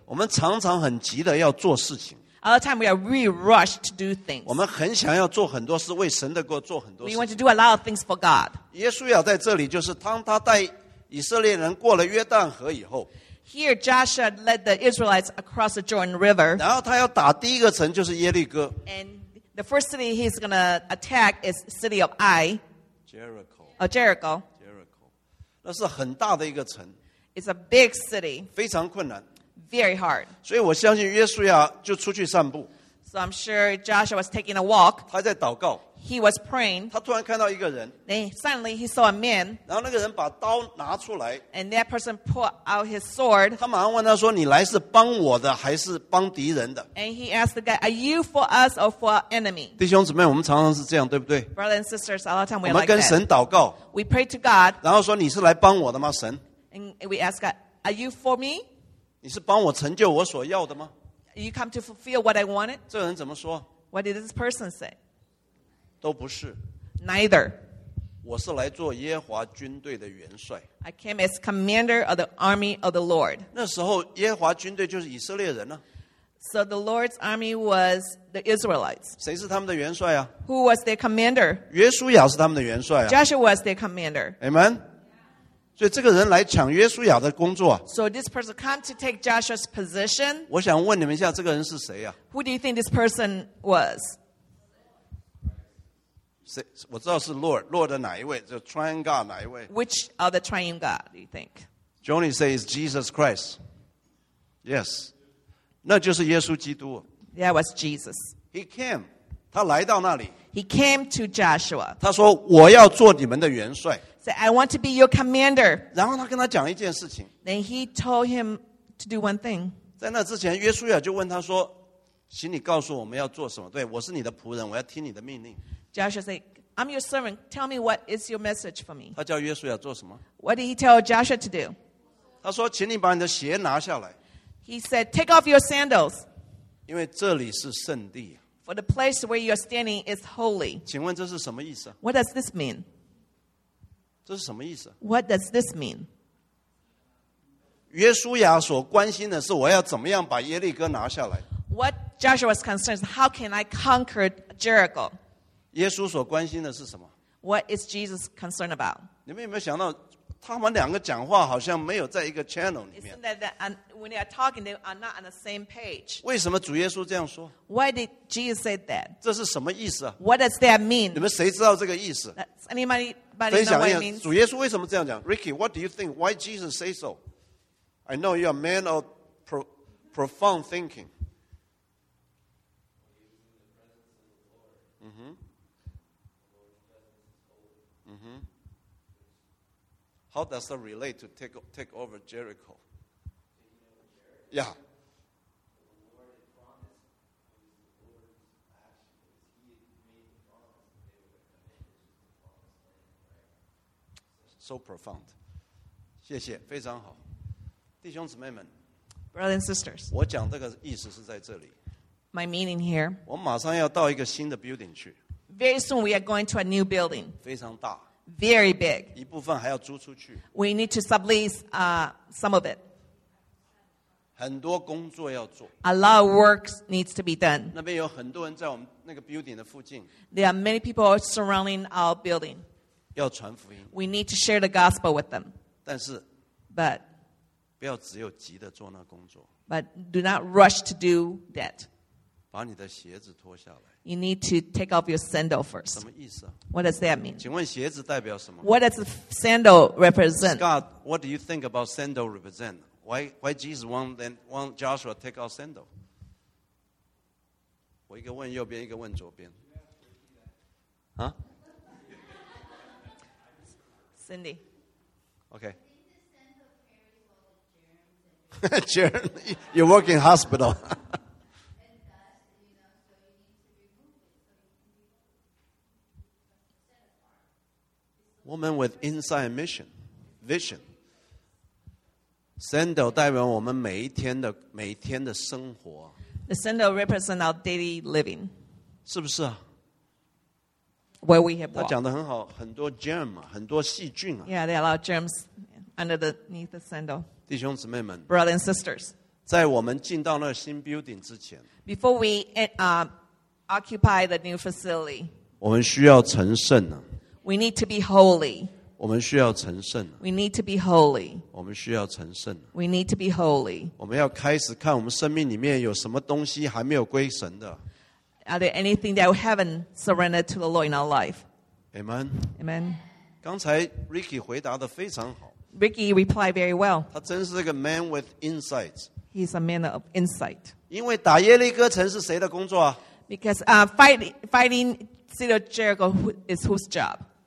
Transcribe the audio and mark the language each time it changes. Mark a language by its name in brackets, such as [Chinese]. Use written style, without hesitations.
[Chinese] 我们常常很急的要做事情 [English] All the time we are really rushed to do things. [Chinese] 我们很想要做很多事，为神的国做很多事。 [English] We want to do a lot of things for God. [Chinese] 耶稣要在这里，就是当他带以色列人过了约旦河以后。 [English] Here Joshua led the Israelites across the Jordan River. [Chinese] 然后他要打第一个城就是耶利哥。 [English] And the first city he's going to attack is the city of Ai. Jericho. Oh, Jericho. [Chinese] Jericho. 那是很大的一个城。 [English] It's a big city. [Chinese] 非常困难。 [English] Very hard. [Chinese] 所以我相信约书亚就出去散步。 [English] So I'm sure Joshua was taking a walk. [Chinese] 他在祷告。 [English] He was praying. [Chinese] 他突然看到一个人。 [English] Then suddenly he saw a man. [Chinese] 然后那个人把刀拿出来。 [English] And that person pulled out his sword. [Chinese] 他马上问他说：“你来是帮我的还是帮敌人的？” [English] And he asked the guy, "Are you for us or for our enemy?" [Chinese] 弟兄姊妹，我们常常是这样，对不对 [English] ？Brothers and sisters, a lot of time we like [Chinese] that. 我们跟神祷告。 [English] We pray to God. [Chinese] 然后说：“你是来帮我的吗，神 [English] ？”And we ask God, "Are you for me?" [Chinese] 你是帮我成就我所要的吗 [English] You come to fulfill what I wanted? [Chinese] 这人怎么说 [English] What did this person say? [Chinese] 都不是 [English] Neither [Chinese] 我是来做耶华军队的元帅 [English] I came as commander of the army of the Lord [Chinese] 那时候耶华军队就是以色列人呢 [English] So the Lord's army was the Israelites [Chinese] 谁是他们的元帅啊 [English] Who was their commander? [Chinese] 约书亚是他们的元帅啊 [English] Joshua was their commander [Chinese] Amen所以这个人来抢约书亚的工作。 [English] So this person come to take Joshua's position. [Chinese] 我想问你们一下，这个人是谁呀、啊、 [English] ？Who do you think this person was? [Chinese] 谁？我知道是 Lord， Lord 的哪一位？就 Triune God 哪一位 [English] ？Which of the Triune God do you think? Johnny says Jesus Christ. [Chinese] Yes， 那就是耶稣基督。 [English] That was Jesus. He came， [Chinese] 他来到那里。 [English] He came to Joshua. [Chinese] 他说：“我要做你们的元帅。” [English] Say, I want to be your commander. [Chinese] 然后他跟他讲一件事情。 [English] Then he told him to do one thing. [Chinese] 在那之前，约书亚就问他说：“请你告诉我们要做什么？对我是你的仆人，我要听你的命令。” [English] Joshua said, "I'm your servant. Tell me what is your message for me." [Chinese] 他叫约书亚做什么 [English] ？What did he tell Joshua to do? [Chinese] 他说：“请你把你的鞋拿下来。” [English] He said, "Take off your sandals." [Chinese] 因为这里是圣地。 [English] For the place where you are standing is holy. [Chinese] 请问这是什么意思 [English] ？What does this mean? [Chinese] 这是什么意思 [English] ？What does this mean? [Chinese] 约书亚所关心的是我要怎么样把耶利哥拿下来。 [English] What Joshua was concerned is how can I conquer Jericho? [Chinese] 耶稣所关心的是什么 [English] ？What is Jesus concerned about? [Chinese] 你们有没有想到，他们两个讲话好像没有在一个 channel 里面 [English] ？Isn't that that when they are talking, they are not on the same page? [Chinese] 为什么主耶稣这样说 [English] ？Why did Jesus say that? [Chinese] 这是什么意思啊 [English] ？What does that mean? [Chinese] 你们谁知道这个意思 [English] ？Does anybody? [Chinese] 分享一下主耶稣为什么这样讲 ？ [English] Ricky, what do you think? Why Jesus say so? I know you're a man of profound thinking. [Chinese] 嗯哼，嗯哼。 [English] How does that relate to take over Jericho? Yeah. So profound. [Chinese] 谢谢，非常好，弟兄姊妹们 [English] ，Brothers and sisters. [Chinese] 我讲这个意思是在这里。 [English] My meaning here. [Chinese] 我马上要到一个新的 building 去。 [English] Very soon we are going to a new building. [Chinese] 非常大。 [English] Very big. [Chinese] 一部分还要租出去。 [English] We need to sublease some of it. [Chinese] 很多工作要做。 [English] A lot of work needs to be done. [Chinese] 那边有很多人在我们那个 building 的附近。 [English] There are many people surrounding our building. [Chinese] 要传福音。 [English] We need to share the gospel with them. [Chinese] 但是 [English] ，But [Chinese] 不要只有急的做那工作。 [English] But do not rush to do that. [Chinese] 把你的鞋子脱下来。 [English] You need to take off your sandal first. [Chinese] 什么意思啊 [English] ？What does that mean? [Chinese] 请问鞋子代表什么 [English] ？What does the sandal represent? Scott, what do you think about sandal represent? Why Jesus want Joshua take off sandal? [Chinese] 我一个问右边，一个问左边。啊 [English] ？Cindy. Okay. Jeremy, you work in hospital. Woman with inside mission, vision. [Chinese] Sandal 代表我们每一天的生活。 [English] The sandal represents our daily living. [Chinese] 是不是啊? [English] Where we have walked. [Chinese] 他讲得很好,很多 germ, 很多细菌啊。 [English] Yeah, there are a lot of germs underneath the sandal. [Chinese] 弟兄姊妹们。 [English] Brothers and sisters. [Chinese] 在我们进到那新 building 之前。 [English] Before we occupy the new facility. [Chinese] 我们需要成圣啊。 [English] We need to be holy. [Chinese] 我们需要成圣啊。 [English] We need to be holy. [Chinese] 我们需要成圣啊。 [English] We need to be holy. [Chinese] 我们要开始看我们生命里面有什么东西还没有归神的。 [English] Are there anything that we haven't surrendered to the Lord in our life? Amen. Amen. [Chinese] 刚才 Ricky 回答得非常好。 [English] Ricky replied very well. [Chinese] 他真是个 [English] man with insight. He's a man of insight. [Chinese] 因为打耶利哥城是谁的工作啊? [English] Because fighting City of Jericho is whose job?